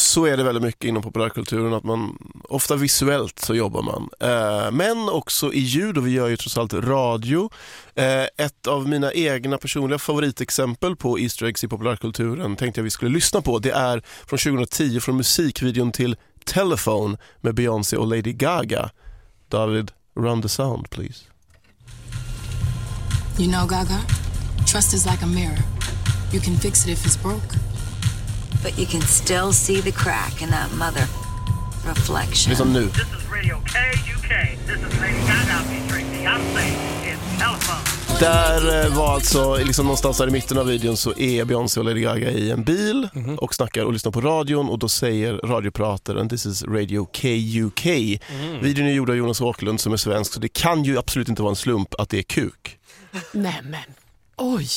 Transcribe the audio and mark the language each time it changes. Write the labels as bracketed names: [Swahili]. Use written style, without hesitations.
[Swedish] Så är det väldigt mycket inom populärkulturen, att man ofta visuellt så jobbar man. Men också i ljud, och vi gör ju trots allt radio. Ett av mina egna personliga favoritexempel på Easter eggs i populärkulturen tänkte jag vi skulle lyssna på. Det är från 2010, från musikvideon till Telephone med Beyoncé och Lady Gaga. [English] David, run the sound, please. You know, Gaga, trust is like a mirror. You can fix it if it's broke. But you can still see the crack in that mother reflection. Listen [Swedish] nu. [English] This is Radio KUK. This is Lady Gaga featuring Beyoncé in Telephone. [Swedish] Där var alltså, liksom någonstans där i mitten av videon så är Beyoncé och Lady Gaga i en bil och snackar och lyssnar på radion, och då säger radioprataren [English] "This is Radio KUK." [Swedish] Mm. Videon är gjord av Jonas Åklund som är svensk, så det kan ju absolut inte vara en slump att det är kuk. Nej, men oj.